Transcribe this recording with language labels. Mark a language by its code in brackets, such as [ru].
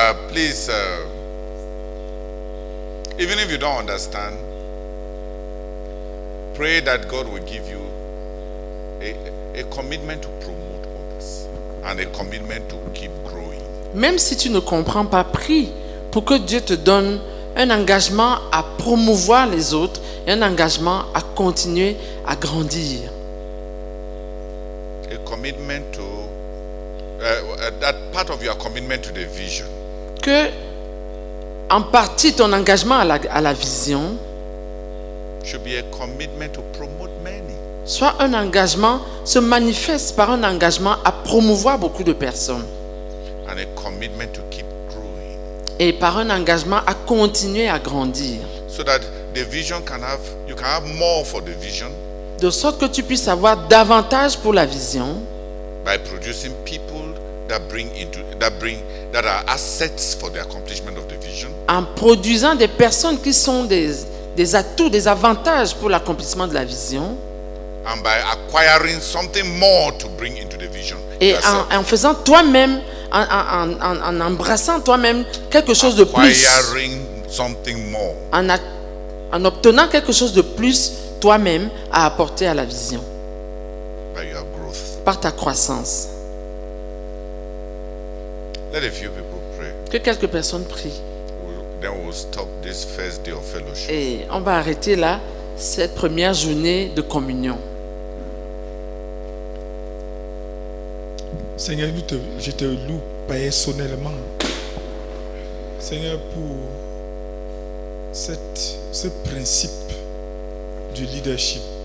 [en] Please, even if you don't understand, pray that God will give you a commitment to promote others and a commitment to keep growing. [fr] Même si tu ne comprends pas, prie pour que Dieu te donne un engagement à promouvoir les autres et un engagement à continuer à grandir. [en] A commitment to that part of your commitment to the vision. [fr] Que en partie ton engagement à la vision [en] should be a commitment to promote many. [fr] Soit un engagement, se manifeste par un engagement à promouvoir beaucoup de personnes. [en] And a commitment to keep growing. [fr] Et par un engagement à continuer à grandir. [en] So that the vision can have, you can have more for the vision. [fr] De sorte que tu puisses avoir davantage pour la vision. [en] By producing people that bring into that bring that are assets for the accomplishment of the vision. [fr] En produisant des personnes qui sont des atouts, des avantages pour l'accomplissement de la vision. [en] And by acquiring something more to bring into the vision. [fr] Et en faisant toi-même, en embrassant toi-même quelque chose de plus. [en] Acquiring something more. [fr] En obtenant quelque chose de plus toi-même à apporter à la vision. [en] By your growth. [fr] Par ta croissance. [en] Let a few people pray. [fr] Que quelques personnes prient. [en] Then we'll stop this first day of fellowship. [fr] Et on va arrêter là cette première journée de communion. Seigneur, je te loue personnellement. Seigneur, pour ce principe du leadership.